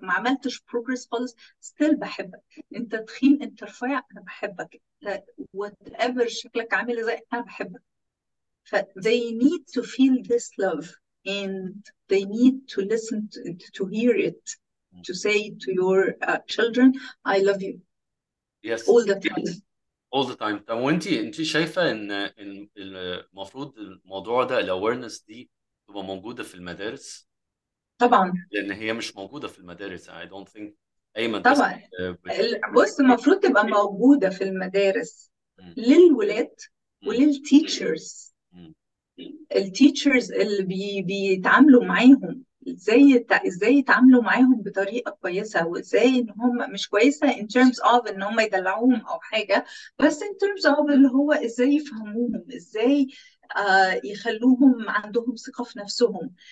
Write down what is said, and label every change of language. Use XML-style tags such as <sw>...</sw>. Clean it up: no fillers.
<ar>ما عملتش progress خالص، still بحبك. انت تخين، انت رفيع، انا بحبك. انت whatever شكلك عامل ازاي، انا بحبك.</ar> <en>ف they need to feel this love and they need to listen to hear it, to say to your children I love you Yes, all the time. all the time.</en> <ar>طب وانتي شايفة ان المفروض الموضوع ده الاويرنس دي تبقى موجودة في المدارس؟ طبعا لأن هي مش موجودة في المدارس.</ar> <en>I don't think</en> <ar>أي مدرسة طبعا. بص، المفروض تبقى موجودة في المدارس للولاد وللتيتشرز، التيتشرز اللي بيتعاملوا معاهم ازاي يتعاملوا معاهم بطريقة كويسة، وازاي ان هم مش كويسة</ar> <en>in terms of</en> <ar>ان هم يدلعوهم او حاجة، بس in terms of اللي هو ازاي يفهموهم، ازاي يخلوهم عندهم ثقة في نفسهم.</ar>